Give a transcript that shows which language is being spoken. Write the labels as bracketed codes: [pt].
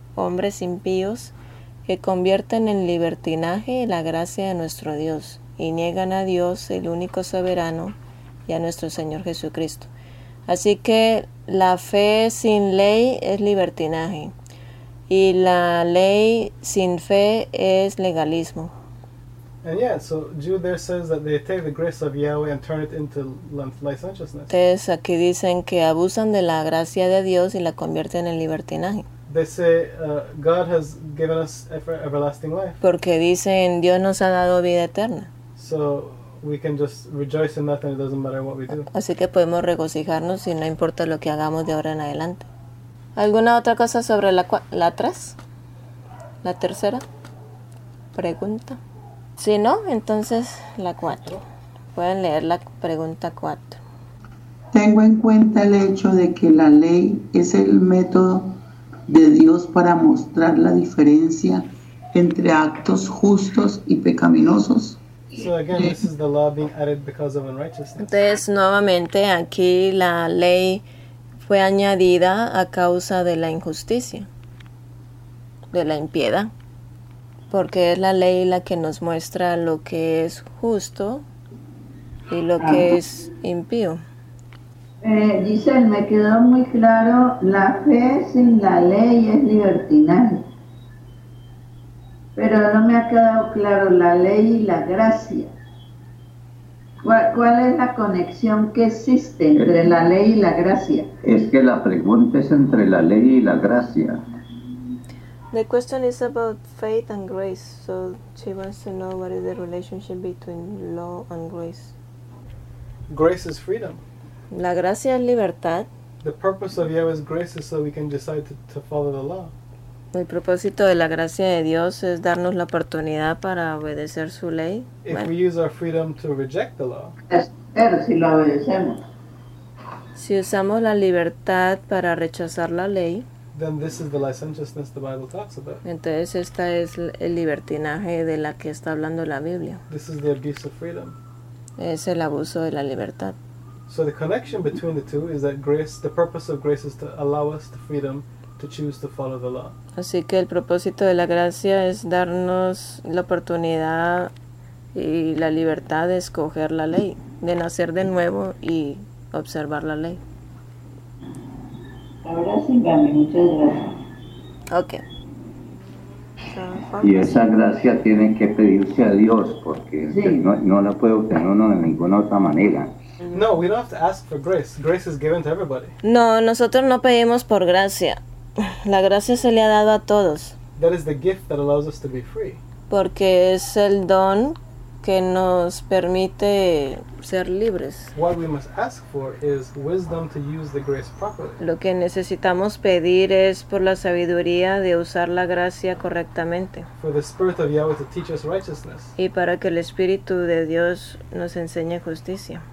[es] Hombres impíos que convierten en libertinaje la gracia de nuestro Dios y niegan a Dios, el único soberano, y a nuestro Señor Jesucristo. Así que la fe sin ley es libertinaje y la ley sin fe es legalismo. [en] And yeah, so Jude there says that they take the grace of Yahweh and turn it into licentiousness. [es] Entonces aquí dicen que abusan de la gracia de Dios y la convierten en libertinaje. [en] They say God has given us everlasting life. [es] Porque dicen Dios nos ha dado vida eterna. [en] So we can just rejoice in that and it doesn't matter what we do. [es] Así que podemos regocijarnos si no importa lo que hagamos de ahora en adelante. ¿Alguna otra cosa sobre la tres? La tercera pregunta. Si no, entonces la cuatro. Pueden leer la pregunta cuatro. Tengo en cuenta el hecho de que la ley es el método de Dios para mostrar la diferencia entre actos justos y pecaminosos. [en] So again, this is the law being added because of unrighteousness. [es] Entonces, nuevamente, aquí la ley fue añadida a causa de la injusticia, de la impiedad, porque es la ley la que nos muestra lo que es justo y lo que es impío. Giselle, me quedó muy claro, la fe sin la ley es libertinaje. Pero no me ha quedado claro la ley y la gracia. ¿Cuál es la conexión que existe entre la ley y la gracia? Es que la pregunta es entre la ley y la gracia. [en] The question is about faith and grace, so she wants to know what is the relationship between law and grace. Grace is freedom. [es] La gracia es libertad. [en] The purpose of Yahweh's grace is so we can decide to follow the law. [es] El propósito de la gracia de Dios es darnos la oportunidad para obedecer su ley. [en] If [es] Bueno. [en] we use our freedom to reject the law. [es] Pero si la obedecemos. Si usamos la libertad para rechazar la ley, [en] Then this is the licentiousness the Bible talks about. [es] entonces esta es el libertinaje de la que está hablando la Biblia. [en] This is the abuse of freedom. [es] Es el abuso de la libertad. [en] So the connection between the two is that grace, the purpose of grace is to allow us the freedom to choose to follow the law. [es] Así que el propósito de la gracia es darnos la oportunidad y la libertad de escoger la ley, de nacer de nuevo y observar la ley. Ahora sí, dame muchas gracias. [en] Ok. So, [es] Y esa gracia tiene que pedirse a Dios porque sí. no la puede obtener uno de ninguna otra manera. [en] No, we don't have to ask for grace. Grace is given to everybody. [es] No, nosotros no pedimos por gracia. La gracia se le ha dado a todos [en] That is the gift that allows us to be free. [es] porque es el don que nos permite ser libres. [en] What we must ask for is wisdom to use the grace properly. [es] Lo que necesitamos pedir es por la sabiduría de usar la gracia correctamente [en] For the Spirit of Yahweh to teach us righteousness. [es] y para que el Espíritu de Dios nos enseñe justicia.